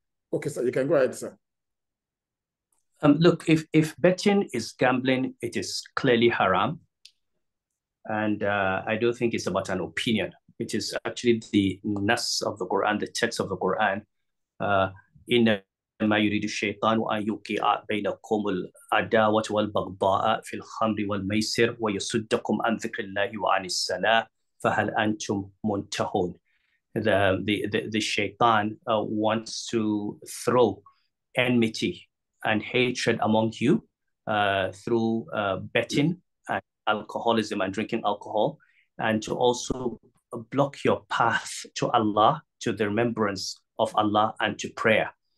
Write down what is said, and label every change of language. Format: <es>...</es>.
<en>Okay, sir, you can go ahead, sir. Look, if betting is gambling, it is clearly haram. And I don't think it's about an opinion. It is actually the nas of the Quran, the text of the Quran.</en> <ar>ما يريد الشيطان أن يوقع بينكم العداوة والبغضاء في الخمر والميسر ويصدكم عن ذكر الله وعن الصلاة فهل أنتم منتهون.</ar> <en>The shaitan wants to throw enmity and hatred among you through betting and alcoholism and drinking alcohol, and to also block your path to Allah, to the remembrance of Allah, and to prayer.</en>